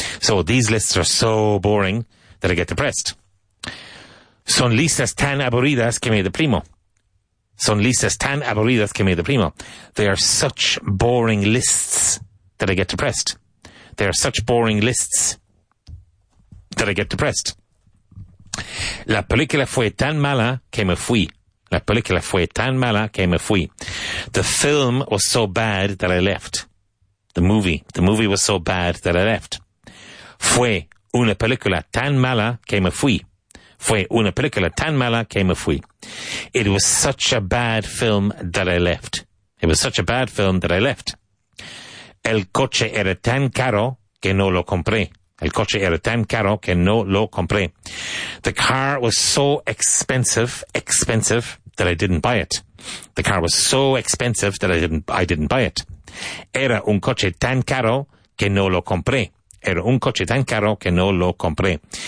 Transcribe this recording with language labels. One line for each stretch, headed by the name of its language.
English: So these lists are so boring that I get depressed.
Spanish: Son listas tan aburridas que me deprimo. Son listas tan aburridas que me deprimo.
English: They are such boring lists that I get depressed. They are such boring lists that I get depressed.
Spanish: La película fue tan mala que me fui. La película fue tan mala que me fui.
English: The film was so bad that I left. The movie was so bad that I left.
Spanish: Fue una película tan mala que me fui. Fue una película tan mala que me fui.
English: It was such a bad film that I left. It was such a bad film that I left.
Spanish: El coche era tan caro que no lo compré. El coche era tan caro que no lo compré.
English: The car was so expensive that I didn't buy it. The car was so expensive that I didn't buy it.
Spanish: Era un coche tan caro que no lo compré. Era un coche tan caro que no lo compré.